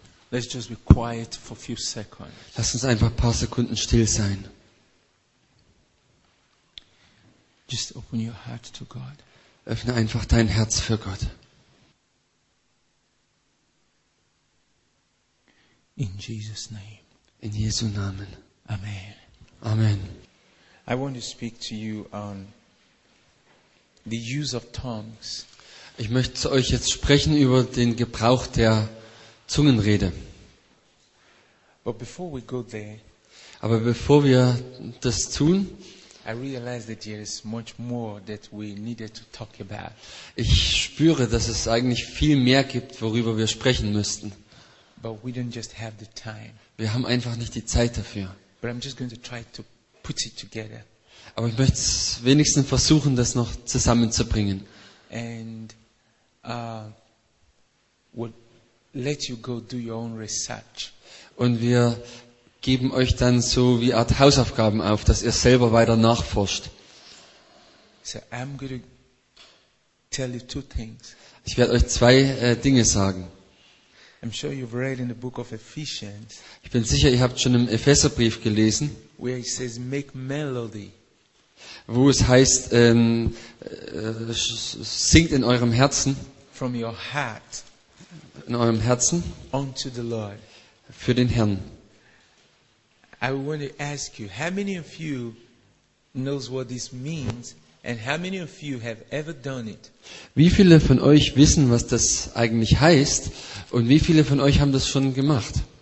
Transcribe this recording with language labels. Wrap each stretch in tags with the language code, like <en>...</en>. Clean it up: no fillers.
<en>Let's just be quiet for a few seconds.</en> <de>Lass uns einfach ein paar Sekunden still sein.</de> <en>Just open your heart to God.</en> <de>Öffne einfach dein Herz für Gott.</de> <en>In Jesus' name.</en> <de>In Jesu Namen.</de> <en>Amen.</en> <de>Amen.</de> <en>I want to speak to you on the use of tongues.</en> <de>Ich möchte zu euch jetzt sprechen über den Gebrauch der Zungenrede.</de> <en>But before we go there,</en> <de>aber bevor wir das tun,</de> <en>I realize that there is much more that we needed to talk about.</en> <de>Ich spüre, dass es eigentlich viel mehr gibt, worüber wir sprechen müssten.</de> <en>But we don't just have the time.</en> <de>Wir haben einfach nicht die Zeit dafür.</de> <en>But I'm just going to try to put it together.</en> <de>Aber ich möchte wenigstens versuchen, das noch zusammenzubringen.</de> <en>And we'll let you go do your own research.</en> <de>Und wir geben euch dann so wie Art Hausaufgaben auf, dass ihr selber weiter nachforscht.</de> <en>So I'm going to tell you two things.</en> <de>Ich werde euch zwei Dinge sagen.</de> <en>I'm sure you've read in the book of Ephesians.</en> <de>Ich bin sicher, ihr habt schon im Epheserbrief gelesen,</de> <en>where it says make melody.</en> <de>Wo es heißt, singt in eurem Herzen,</de> <en>from your heart,</en> <de>in eurem Herzen,</de> <en>unto the Lord,</en> <de>für den Herrn.</de> <en>I want to ask you, how many of you knows what this means, and how many of you have ever done it?</en> <de>Wie viele von euch wissen, was das eigentlich heißt, und wie viele von euch haben das schon gemacht?</de>